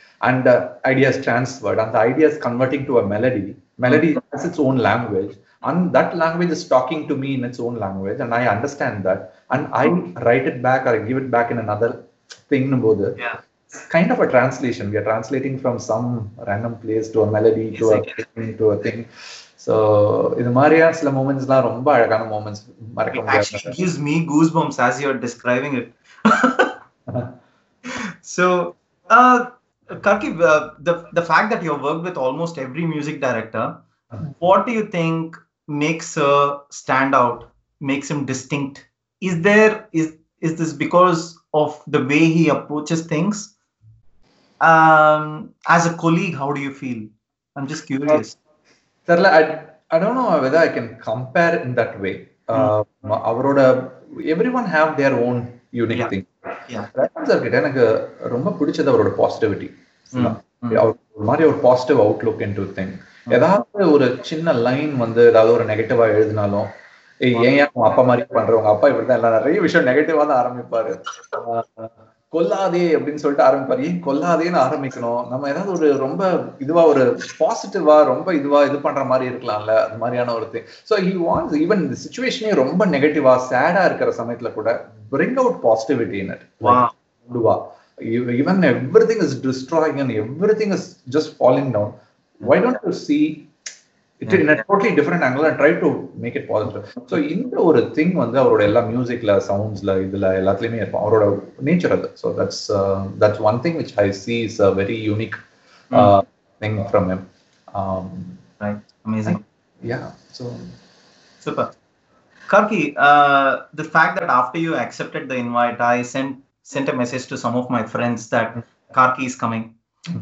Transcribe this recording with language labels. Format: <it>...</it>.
<en>And ideas transferred, அந்த ideas converting to a melody, melody has its own language, and that language is talking to me in its own language, and I understand that and I write it back or give it back in another திங்னும் போது kind of a translation, we are translating from some random place to a melody to a thing.</en> <ta>So இது மாதிரியான சில மூமெண்ட்ஸ்லாம் ரொம்ப அழகான moments, மறக்க முடியாது.</ta> <en>So Karki, the fact that you've worked with almost every music director, what do you think makes a standout, makes him distinct? Is this because of the way he approaches things? As a colleague, how do you feel? I'm just curious. I don't know whether I can compare in that way. Everyone have their own unique thing.</en> <ta>எனக்கு ரொம்ப பிடிச்சது அவரோட positivity, ஒரு மாதிரி ஒரு positive Outlook into thing, ஏதாவது ஒரு சின்ன லைன் வந்து ஏதாவது ஒரு நெகட்டிவா எழுதினாலும் ஏன் உங்க அப்பா மாதிரி பண்றவங்க அப்பா இப்படிதான் எல்லாம் நிறைய விஷயம் நெகட்டிவா தான் ஆரம்பிப்பாரு, கொல்லாதே அப்படின்னு சொல்லிட்டு ஆரம்பிப்பாரு, ஏன் கொல்லாதேன்னு ஆரம்பிக்கணும், நம்ம ஏதாவது ஒரு ரொம்ப இதுவா ஒரு பாசிட்டிவா ரொம்ப இதுவா இது பண்ற மாதிரி இருக்கலாம்ல, அது மாதிரியான ஒரு thing.</ta> <en>so he wants even</en> <ta>இந்த சிச்சுவேஷனே ரொம்ப நெகட்டிவா சேடா இருக்கிற சமயத்துல கூட</ta> <en>bring out positivity in it. Wow. Even everything is destroying and everything is just falling down. Why don't you see it in a totally different angle and try to make it positive?</en> <ta>So, இந்த ஒரு thing வந்து அவரோட எல்லா musicல, soundsல, இதுல எல்லாத்துலயுமே இருக்கும் அவரோட nature அது.</ta> <en>So, that's one thing which I see is a very unique thing from him. Right. Amazing. Yeah. So, super. Karki, the fact that after you accepted the invite, I sent a message to some of my friends that Karki is coming. Mm-hmm.</en>